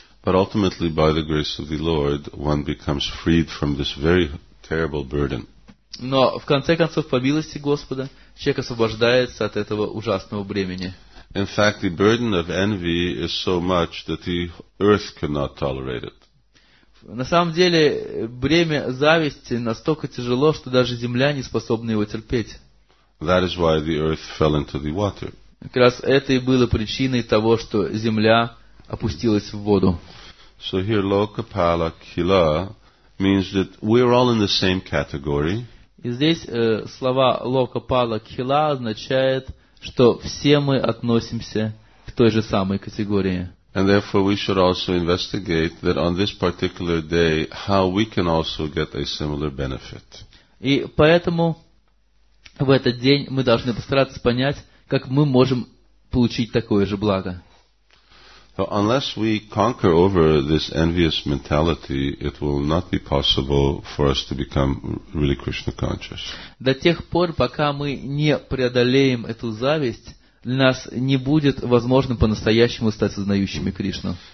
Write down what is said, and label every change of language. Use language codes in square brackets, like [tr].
[en] But ultimately, by the grace of the Lord, one becomes freed from this very terrible burden. [ru] Но в конце концов, по милости Господа, человек освобождается от этого ужасного бремени. [en] In fact, the burden of envy is so much that the earth cannot tolerate it. [ru] На самом деле, бремя зависти настолько тяжело, что даже земля не способна его терпеть. [en] That is why the earth fell into the water. [ru] Как раз это и было причиной того, что земля опустилась в воду. [en] So here, Lokapala Kila means that we're all in the same category. [ru] И здесь слова Lokapala Kila означает, что все мы относимся к той же самой категории. [en] And therefore we should also investigate that on this particular day how we can also get a similar benefit. [ru] И поэтому в этот день мы должны постараться понять, как мы можем получить такое же благо. [en] So unless we conquer over this envious mentality, it will not be possible for us to become really Krishna conscious. [ru] До тех пор, пока мы не преодолеем эту зависть, для нас не будет возможным по-настоящему стать сознающими Кришну.